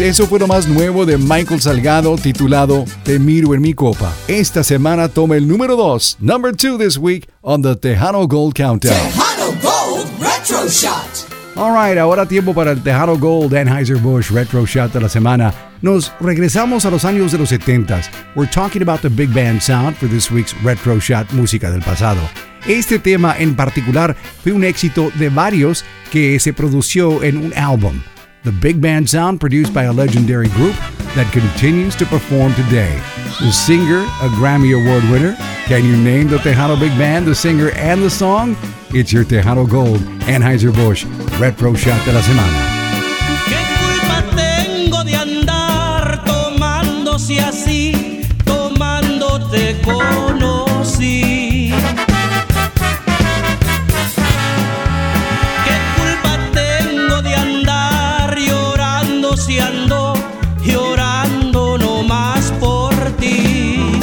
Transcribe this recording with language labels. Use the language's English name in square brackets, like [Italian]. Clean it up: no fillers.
[Spanish] Eso fue lo más nuevo de Michael Salgado, titulado Te Miro en Mi Copa. Esta semana toma el número 2, [English] number 2 this week on the Tejano Gold Countdown. Tejano Gold Retro Shot. [Spanish] All right, ahora tiempo para el Tejano Gold Anheuser-Busch Retro Shot de la semana. Nos regresamos a los años de los 70s. [English] We're talking about the big band sound for this week's Retro Shot Música del Pasado. [Spanish] Este tema en particular fue un éxito de varios que se produjo en un álbum. [English] The big band sound produced by a legendary group that continues to perform today. The singer, a Grammy Award winner. Can you name the Tejano Big Band, the singer, and the song? It's your Tejano Gold, Anheuser-Busch, Retro Shot de la Semana. [Spanish] ¿Qué culpa tengo de andar tomándose así, tomándote conocí? ¿Qué culpa tengo de andar llorando si ando llorando nomás por ti?